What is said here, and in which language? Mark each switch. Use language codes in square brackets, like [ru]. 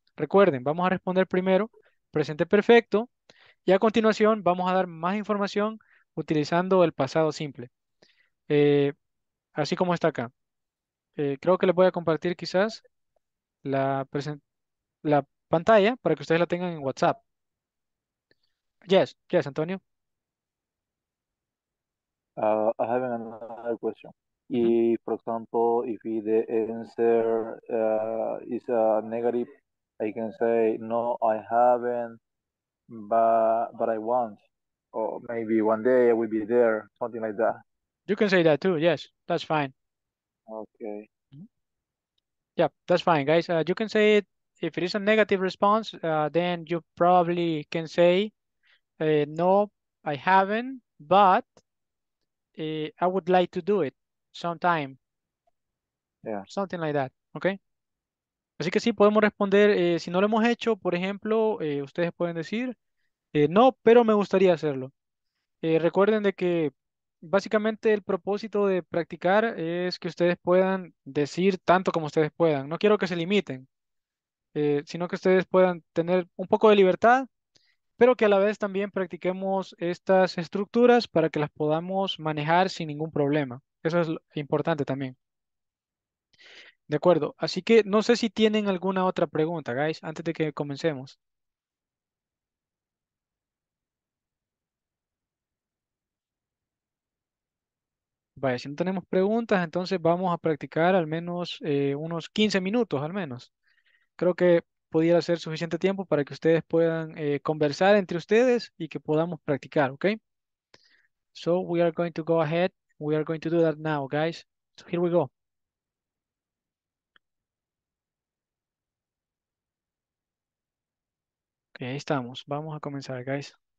[es] Recuerden, vamos a responder primero presente perfecto y a continuación vamos a dar más información utilizando el pasado simple. Así como está acá. Creo que les voy a compartir quizás la pantalla para que ustedes la tengan en WhatsApp. [en] Yes, Antonio. I have another question. If, for example, if the answer is a negative, I can say no, I haven't, but I want, or maybe one day I will be there, something like that. You can say that too. Yes, that's fine. Okay. Yeah, that's fine, guys. You can say it. If it is a negative response, then you probably can say, no, I haven't, but I would like to do it sometime. Yeah. Something like that, okay? [es] Así que sí, podemos responder, si no lo hemos hecho, por ejemplo, ustedes pueden decir, no, pero me gustaría hacerlo. Recuerden de que básicamente el propósito de practicar es que ustedes puedan decir tanto como ustedes puedan. No quiero que se limiten, sino que ustedes puedan tener un poco de libertad, pero que a la vez también practiquemos estas estructuras para que las podamos manejar sin ningún problema. Eso es importante también. De acuerdo. Así que no sé si tienen alguna otra pregunta, guys, antes de que comencemos. Vaya, si no tenemos preguntas, entonces vamos a practicar al menos unos 15 minutos, al menos. Creo que pudiera ser suficiente tiempo para que ustedes puedan conversar entre ustedes y que podamos practicar, ¿ok? [en] So we are going to go ahead. We are going to do that now, guys. So here we go. [es] Ahí estamos. Vamos a comenzar, guys.